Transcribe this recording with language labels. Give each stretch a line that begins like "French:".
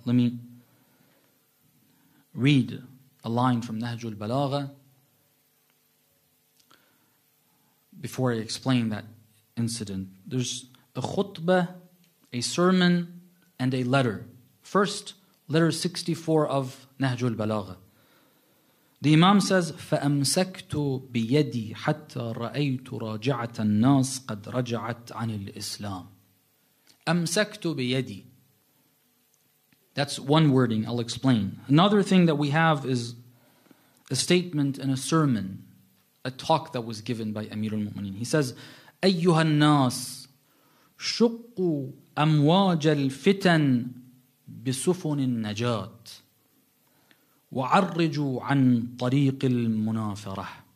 English: Let me read a line from Nahj al-Balagha before I explain that incident. There's a khutbah, a sermon, and a letter. First, letter 64 of Nahj al-Balagha. The Imam says,
Arabic: فَأَمْسَكْتُ بِيَدِي حَتَّى رَأَيْتُ رَاجَعَةَ النَّاسِ قَدْ رَجَعَتْ عَنِ الْإِسْلَامِ أَمْسَكْتُ بِيَدِي.
English: That's one wording, I'll explain. Another thing that we have is a statement in a sermon, a talk that was given by Amir al-Mu'mineen. He says,
Arabic: أَيُّهَا النَّاسِ شُقُّ أَمْوَاجَ الْفِتَنِ بِسُفُنِ النَّجَاةِ وَعَرِّجُوا عَنْ طَرِيقِ الْمُنَافَرَةِ.